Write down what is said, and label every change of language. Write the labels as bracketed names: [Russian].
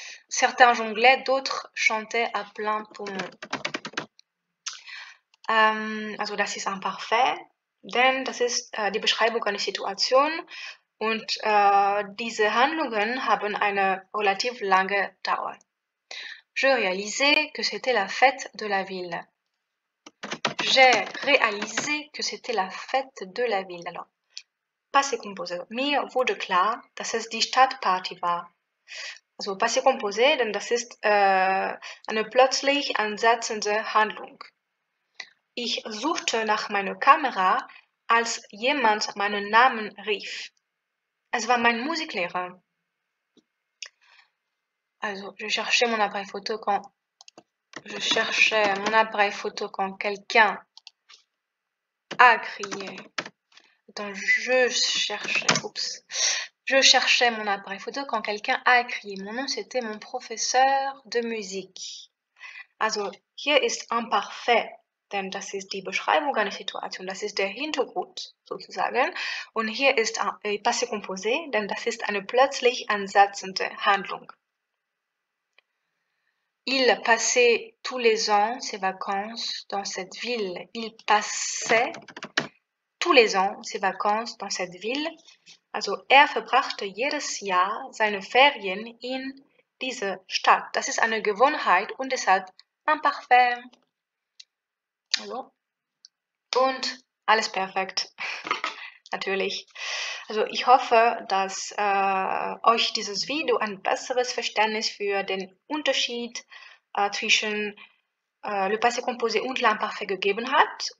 [French] Certains jonglaient, d'autres chantaient à plein poumon. [German] Also das ist imparfait, denn das ist die Beschreibung einer Situation. Und diese Handlungen haben eine relativ lange Dauer. [French] Je réalisais que c'était la fête de la ville. j'ai réalisé que c'était la fête de la ville. Alors, passé composé. [German] Mir wurde klar, dass es die Stadtparty war. Also, passé composé, denn das ist eine plötzlich ansetzende Handlung. Ich suchte nach meiner Kamera, als jemand meinen Namen rief. Es war mein Musiklehrer. [French] Also, je cherchais mon appareil photo quand quelqu'un a crié. Attends, je cherchais mon appareil photo quand quelqu'un a crié. Mon nom, c'était mon professeur de musique. [German] Also, hier ist imparfait, denn das ist die Beschreibung einer Situation. Das ist der Hintergrund, sozusagen. Und hier ist ein passé composé, denn das ist eine plötzlich ansetzende Handlung. [French] Il passait tous les ans ses vacances dans cette ville. Il passait tous les ans ses vacances dans cette ville. [German] Also, verbrachte jedes Jahr seine Ferien in diese Stadt. Das ist eine Gewohnheit und deshalb imparfait. Also, und alles perfekt. Natürlich. Also, ich hoffe, dass euch dieses Video ein besseres Verständnis für den Unterschied zwischen le passé composé und l'imparfait gegeben hat.